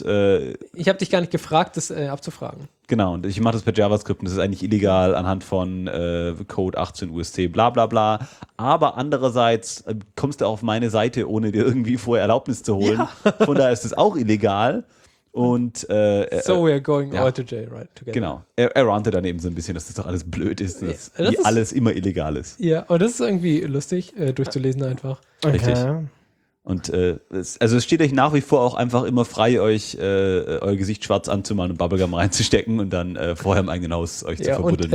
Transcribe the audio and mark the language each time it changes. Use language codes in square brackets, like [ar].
[de] ich habe dich gar nicht gefragt, das abzufragen. Genau, und ich mache das per JavaScript und das ist eigentlich illegal anhand von Code 18 UST, bla bla bla. Aber andererseits kommst du auf meine Seite, ohne dir irgendwie vorher Erlaubnis zu holen. Ja. Von daher ist es auch illegal. Und [en] so we are going all to jail, right, together. [de] Genau. Er rantet dann eben so ein bisschen, dass das doch alles blöd ist, dass das alles immer illegal ist. Ja, und das ist irgendwie lustig, durchzulesen einfach. Okay. Richtig. Und es steht euch nach wie vor auch einfach immer frei, euch euer Gesicht schwarz anzumalen und Bubblegum reinzustecken und dann vorher im eigenen Haus euch zu verbuddeln.